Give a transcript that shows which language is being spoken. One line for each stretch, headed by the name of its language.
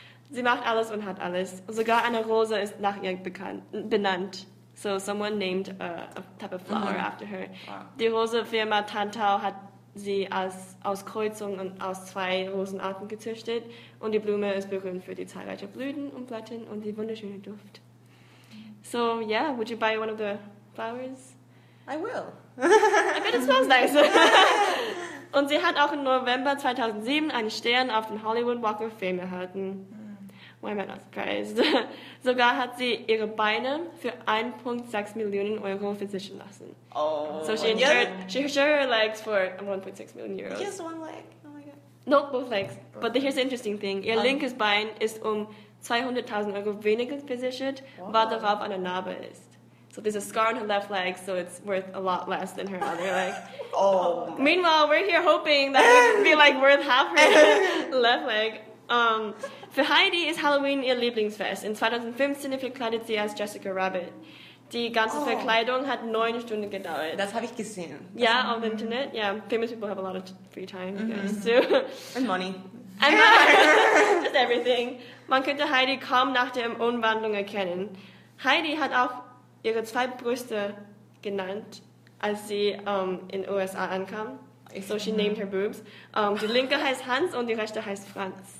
German: Sie macht alles und hat alles. Sogar eine Rose ist nach ihr benannt.
English: So someone named a type of flower after her. Wow.
German: Die Rosenfirma Tantau hat sie als Auskreuzung und aus zwei Rosenarten gezüchtet. Und die Blume ist berühmt für die zahlreichen Blüten und Blätter und die wunderschöne Duft.
English: So yeah, would you buy one of the flowers? I will. I bet it smells nice.
German: Und sie hat auch im November 2007 einen Stern auf den Hollywood Walk of Fame erhalten.
English: Why am I not surprised?
German: Sogar hat sie ihre Beine für 1.6 Millionen Euro versichern lassen. Oh.
English: So she insured her legs for 1.6 Millionen Euro. Just one leg? Oh my god. Nope, both legs. Okay. But here's the interesting thing.
German: Ihr linkes Bein ist 200.000 Euro weniger versichert, weil darauf eine Narbe ist.
English: So there's a scar on her left leg, so it's worth a lot less than her other leg. Oh. Meanwhile, we're here hoping that it would be like worth half her left leg.
German: Für Heidi ist Halloween ihr Lieblingsfest. In 2015 verkleidet sie als Jessica Rabbit. Die ganze Verkleidung hat 9 Stunden gedauert. Das habe ich gesehen. Ja, auf dem Internet.
English: Yeah, famous people have a lot of free time. And money. And just everything.
German: Man könnte Heidi kaum nach der Umwandlung erkennen. Heidi hat auch ihre zwei Brüste genannt, als sie in den USA ankam.
English: So she named her boobs.
German: Die linke heißt Hans und die rechte heißt Franz.